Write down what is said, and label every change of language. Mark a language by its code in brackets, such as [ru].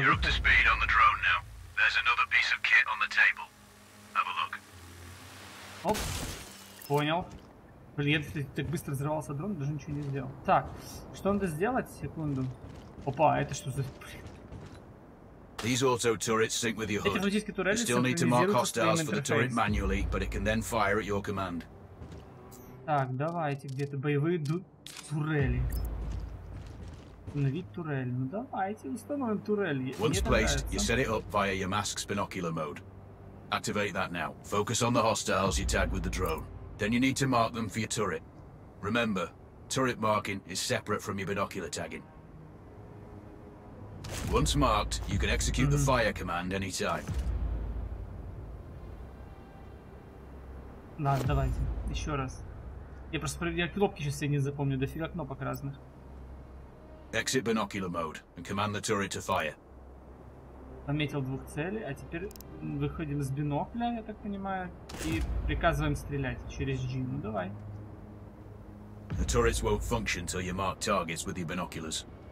[en] You're up to speed on the drone now. There's another piece of kit on the table. Have a look. [ru] Оп, понял. Блин, если так быстро взрывался дрон, даже ничего не сделал. Так, что надо сделать? Секунду. Опа, это что за... [en] These auto turrets sync with your HUD. You still need to mark hostiles for the turret manually, but it can then fire at your command. [ru] Так, давайте, где-то боевые турели. Установить турель. Ну давайте, установим турель. [en] Once placed, you set it up via your mask's binocular mode. Activate that now. Focus on the hostiles you tag with the drone. Then you need to mark them for your turret. Remember, turret marking is separate from your binocular tagging. Once marked, you can execute the fire command anytime. [ru] Ладно, давайте. Еще раз. Я просто я кнопки сейчас не запомню, дофига кнопок разных. [en] Exit binocular mode and command the turret to fire. [ru] Пометил двух целей, а теперь выходим с бинокля, я так понимаю, и приказываем стрелять через G. Ну давай. [en] The turrets won't function till you mark targets with your binoculars.